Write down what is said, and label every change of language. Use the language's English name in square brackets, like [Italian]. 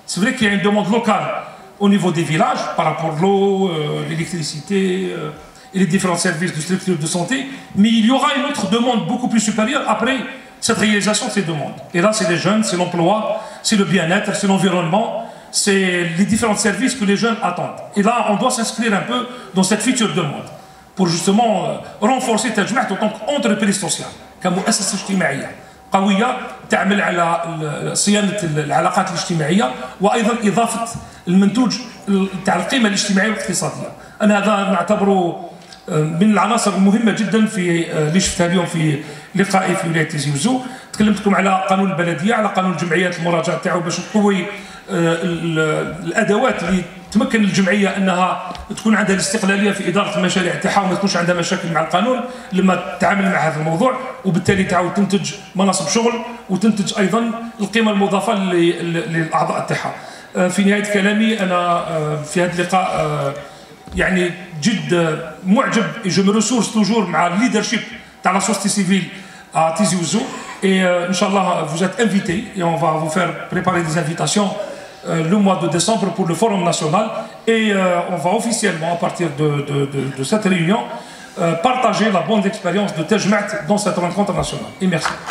[French] C'est vrai qu'il y a une demande locale au niveau des villages, par rapport à l'eau, l'électricité et les différents services de structure de santé, mais il y aura une autre demande beaucoup plus supérieure après cette réalisation de ces demandes. Et là, c'est les jeunes, c'est l'emploi, c'est le bien-être, c'est l'environnement, c'est les différents services que les jeunes attendent. Et là, on doit s'inscrire un peu dans cette future demande pour justement renforcer Tejmet en tant qu'entreprise sociale, comme assez stimaïa. [Arabic] قوية تعمل على صيانة العلاقات الاجتماعية وأيضا إضافة المنتوج تاع القيمة الاجتماعية والاقتصادية. أنا هذا نعتبره من العناصر المهمة جدا في اللي شفتها اليوم في لقائي في ولاية تيزي وزو. تكلمتكم على قانون البلدية، على قانون الجمعيات المراجعة تاعو باش نقوي الأدوات اللي تمكن الجمعية أنها تكون عندها الاستقلالية في إدارة المشاريع تاعها وما تكونش عندها مشاكل مع القانون لما تتعامل مع هذا الموضوع، وبالتالي تعاود تنتج مناصب شغل وتنتج أيضا القيمة المضافة للأعضاء تاعها. في نهاية كلامي أنا في هذا اللقاء يعني جد معجب [French] جو مي ريسورس توجور مع الليدرشيب تاع لا سوستي سيفيل à Tizi Ouzou et inchallah vous êtes invités et on va vous faire préparer des invitations le mois de décembre pour le forum national et on va officiellement à partir de cette réunion partager la bonne expérience de Tejmet dans cette rencontre nationale et merci.